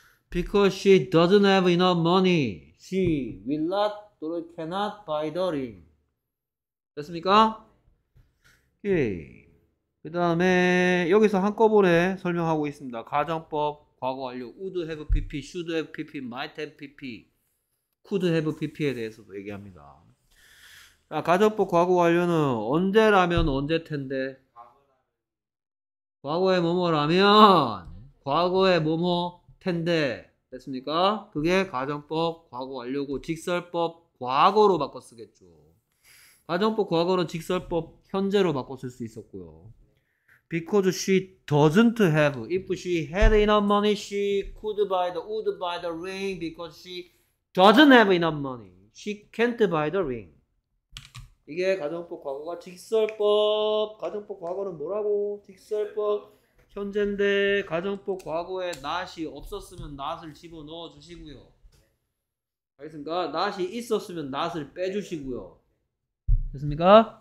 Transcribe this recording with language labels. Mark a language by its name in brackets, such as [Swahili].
[English] Because she doesn't have enough money, she will not or cannot buy the ring. [Korean] 됐습니까? 오케이. 그 다음에 여기서 한꺼번에 설명하고 있습니다. 가정법, 과거 완료, would have pp, should have pp, might have pp, could have pp에 대해서도 얘기합니다. 자, 가정법, 과거 완료는 언제라면 언제텐데 과거에 뭐뭐라면 과거에 뭐뭐텐데 됐습니까? 그게 가정법, 과거 완료고 직설법, 과거로 바꿔 쓰겠죠. 가정법, 과거는 직설법, 현재로 바꿔 쓸 수 있었고요. [English] Because she doesn't have, if she had enough money, she could buy the, would buy the ring, because she doesn't have enough money, she can't buy the ring. [Korean] 이게 가정법 과거가 직설법, 가정법 과거는 뭐라고? 직설법, 현재인데 가정법 과거에 not이 없었으면 not을 집어넣어 주시고요. 알겠습니까? not이 있었으면 not을 빼주시고요. 됐습니까?